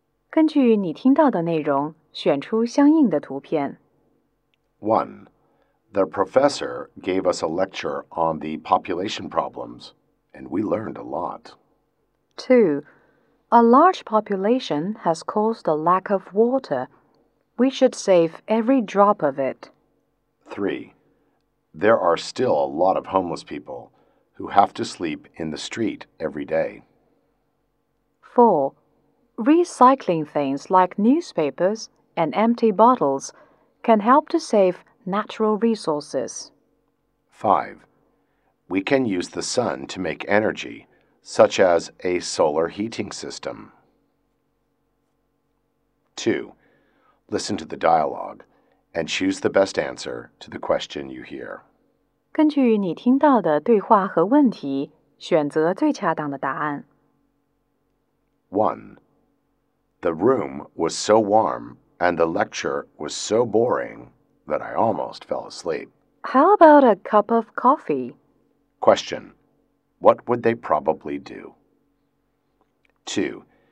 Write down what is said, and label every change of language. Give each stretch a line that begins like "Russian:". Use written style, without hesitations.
Chinese: 根据你听到的内容，选出相应的图片。
English: 1. The professor gave us a lecture on the population problems, and we learned a lot. 2. A large population has caused a lack of water. We should save every drop of it. 3. There are still a lot of homeless people who have to sleep in the street every day. 4. Recycling things like newspapers and empty bottles can help to save natural resources. 5. We can use the sun to make energy, such as a solar heating system. 2. Listen to the dialogue and choose the best answer to the question you hear.
Chinese: 根据你听到的对话和问题，选择最恰当的答案。
English: 1. The room was so warm and the lecture was so boring that I almost fell asleep. How about a cup of coffee? Question. What would they probably do? 2.